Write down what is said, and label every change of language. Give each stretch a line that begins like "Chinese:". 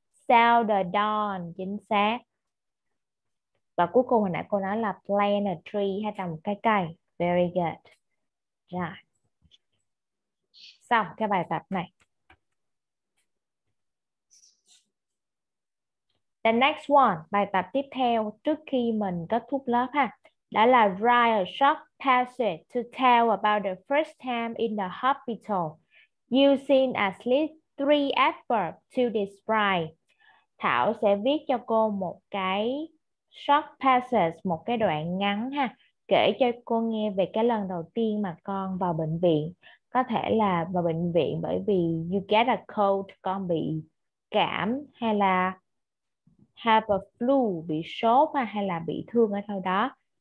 Vietnamese: Sail the dawn, chính xác. Và cuối cùng hồi nãy cô nói là
English: plant a tree,
Vietnamese: hay trồng một cái cây.
English: Very good.
Vietnamese: Rồi. Xong cái bài tập này.
English: The next one,
Vietnamese: bài tập tiếp theo trước khi mình kết thúc lớp ha. Đó là
English: write a short passage to tell about the first time in the hospital using at least three adverbs to describe.
Vietnamese: Thảo sẽ viết cho cô một cái short passage, một cái đoạn ngắn ha, kể cho cô nghe về cái lần đầu tiên mà con vào bệnh viện. Có thể là vào bệnh viện bởi vì
English: you get a cold,
Vietnamese: con bị cảm, hay là
English: have a flu,
Vietnamese: bị sốt, hay là bị thương ở đâu đó.